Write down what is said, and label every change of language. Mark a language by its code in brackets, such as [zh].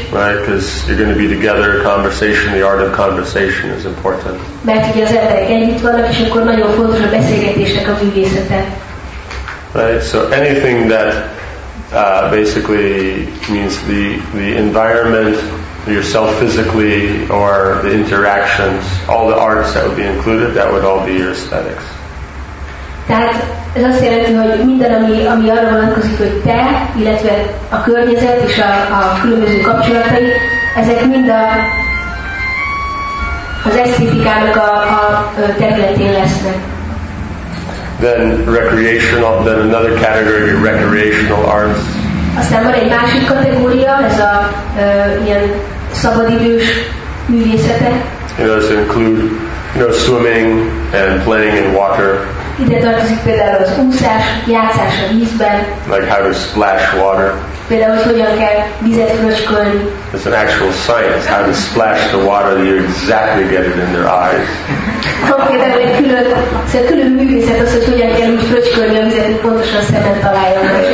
[en] Right, because you're going to be together, conversation, the art of conversation is important. [hu] Mert ugye az emberek együtt vannak, és akkor nagyon fontos a beszélgetésnek a művészete. [en] Right, so anything that basically means the environment yourself physically or the interactions, all the arts that would be included, that would all be your aesthetics. [hu] Tehát ez azt jelenti, hogy minden, ami arra vonatkozik, hogy te, illetve a környezet és a különböző kapcsolatai, ezek mind az esztétikának a területén lesznek. [en] Then recreational, then another category, recreational arts. [hu] Aztán van egy másik kategória, ez a ilyen szabadidős művészete. [en] It does include, swimming and playing in water. [hu] Ide tartozik például az úszás, játszás a vízben. [en] Like how to splash water. [hu] Például, hogy hogyan kell vizet fröcskölni. [en] It's an actual science, how to splash the water, you exactly get it in their eyes. [hu] Például egy külön művészet az, hogy hogyan kell úgy fröcskölni a vizet, hogy pontosan szemet találjon.